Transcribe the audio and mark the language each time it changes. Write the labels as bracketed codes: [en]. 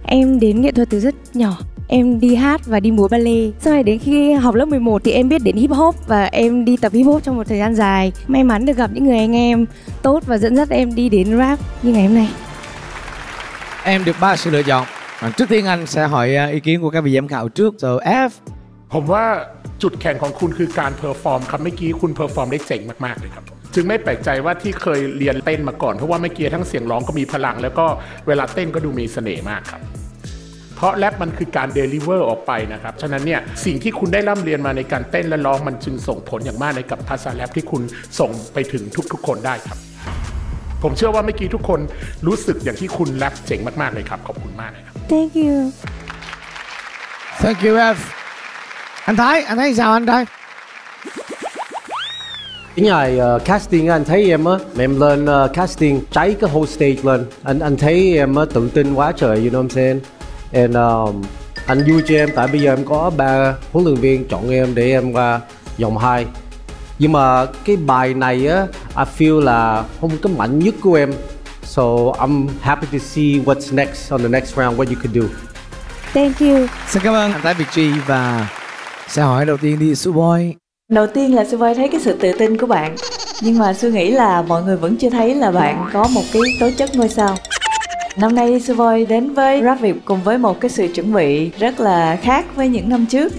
[vi] Em đến nghệ thuật từ rất nhỏ. Em đi hát và đi múa ballet. Sau này đến khi học lớp 11 thì em biết đến hip hop. Và em đi tập hip hop trong một thời gian dài. May mắn được gặp những người anh em tốt và dẫn dắt em đi đến rap như ngày hôm nay. Em được 3 sự lựa chọn. Trước tiên anh sẽ hỏi ý kiến của các vị giám khảo trước. [en] So F, [th] ผมว่าจุดแข็งของคุณคือการเพอร์ฟอร์มครับเมื่อกี้คุณเพอร์ฟอร์มได้เจ๋งมากๆเลยครับจึงไม่แปลกใจว่าที่เคยเรียนเต้นมาก่อนเพราะว่าเมื่อกี้ทั้งเสียงร้องก็มีพลังแล้วก็เวลาเต้นก็ดูมีเสน่ห์มากครับเพราะแรปมันคือการเดลิเวอร์ออกไปนะครับฉะนั้นเนี่ยสิ่งที่คุณได้ร่ำเรียนมาในการเต้นและร้องมันจึงส่งผลอย่างมากในกับภาษาแรปที่คุณส่งไปถึงทุกๆคนได้ครับผมเชื่อว่าเมื่อกี้ทุกคนรู้สึกอย่างที่คุณแรปเจ๋งมากๆเลยครับขอบคุณมากครับ [en] Thank you [vi] F. Anh Thái sao anh Thái? Cái ngày casting anh thấy em á, em lên casting cháy cái [en] whole stage [vi] lên. Anh thấy em tự tin quá trời, [en] you know what I'm saying? And [vi] anh vui cho em tại bây giờ em có 3 huấn luyện viên chọn em để em qua vòng 2. Nhưng mà cái bài này á, [en] I feel [vi] là không có mạnh nhất của em. [en] So I'm happy to see what's next on the next round, what you could do. Thank you. [vi] Xin cảm ơn anh Thái Việt Trì và sẽ hỏi đầu tiên đi Suboy. Đầu tiên là Suboy thấy cái sự tự tin của bạn. Nhưng mà Su nghĩ là mọi người vẫn chưa thấy là bạn có một cái tố chất ngôi sao. Năm nay Suboy đến với Rap Việt cùng với một cái sự chuẩn bị rất là khác với những năm trước.